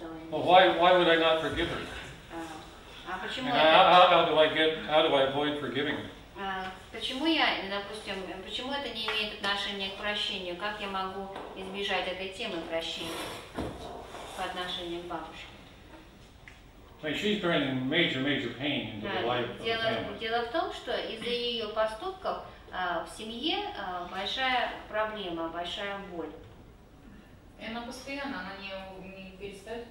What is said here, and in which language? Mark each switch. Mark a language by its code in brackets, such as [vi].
[en] Well, why would I not forgive her? How do I avoid forgiving her? [ru] Почему я, допустим, почему это не имеет отношения к прощению? Как я могу избежать этой темы прощения по отношению к бабушке? [en] Well, she's been in major pain in the life of the family. [ru] Дело в том, что из-за ее поступков в семье большая проблема, большая боль. И она постоянно, она не перестает